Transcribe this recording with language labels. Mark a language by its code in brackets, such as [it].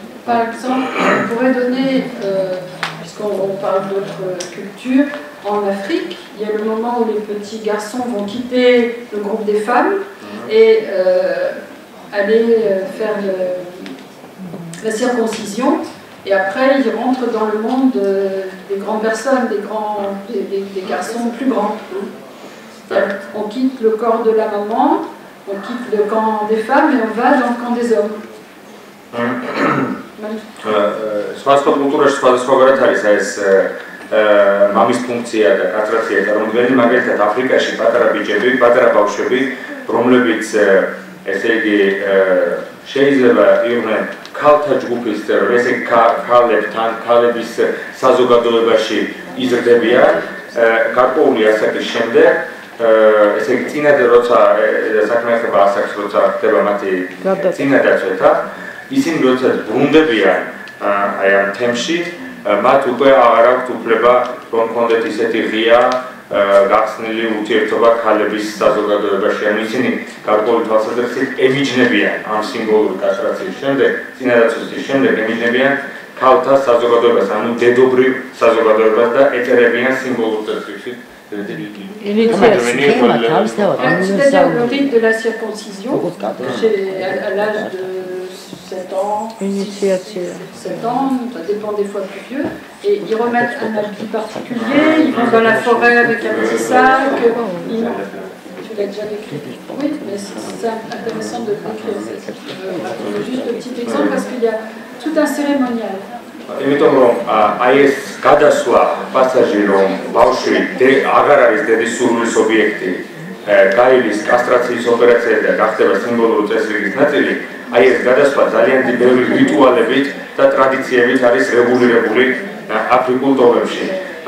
[fr] Par exemple, on pourrait donner, puisqu'on parle d'autres cultures, en Afrique, il y a le moment où les petits garçons vont quitter le groupe des femmes et aller faire la circoncision. Et après, ils rentrent dans le monde des grandes personnes, des garçons plus grands. On quitte le corps de la maman, on quitte le camp des femmes et on va dans le camp des hommes. [ka] სხვადასხვა კულტურაში სხვადასხვა გარეთ არის ეს მამის ფუნქცია და კასტრაცია და რომელი მაგალითად აფრიკაში პატარა ბიჭები, პატარა ბავშვები, რომლებიც ესე იგი შეიძლება იყვნენ ქალთა ჯგუფის წევრები, ესე იგი ქალებთან, ქალების საზოგადოებაში იზრდებიან გარკვეული ასაკის შემდეგ. Ესე იგი წინადე როცა საქმე ხდება ასაკს, როცა ხდება მათი წინადაცვეთა, ისინი როცა ბრუნდებიან აი ამ თემში, მათ უკვე აღარ აქვთ უფლება, რომ ქონდეთ ისეთი ღია გახსნილი ურთიერთობა ქალების საზოგადოებაში. ანუ ისინი გარკვეული თვალსაზრისით ემიჯნებიან ამ სიმბოლური კასტრაციის შემდეგ, წინადაცვეთის შემდეგ ემიჯნებიან ქალთა საზოგადოებას, ანუ დედობრივ საზოგადოებას და ეწერებიან სიმბოლურ წესრიგში. [fr] C'est-à-dire de la circoncision à l'âge de 7 ans, 7 ans, ça dépend des fois plus vieux. Et ils remettent un habit particulier, ils vont dans la forêt avec un petit sac. Tu l'as déjà décrit. Oui, mais c'est intéressant de décrire ça. Juste un petit exemple parce qu'il y a tout un cérémonial. [ka] იმიტომ რომ აი ეს გადასვლა პასაჟი რომ ბავშვი აღარ არის დედის სურვილის ობიექტი, გაივლის კასტრაციის ოპერაცია და გახდება სიმბოლური წესრიგის ნაწილი, აი ეს გადასვლა ძალიან ბევრი რიტუალებით და ტრადიციებით არის რეგულირებული აფრიკულ ტომებში.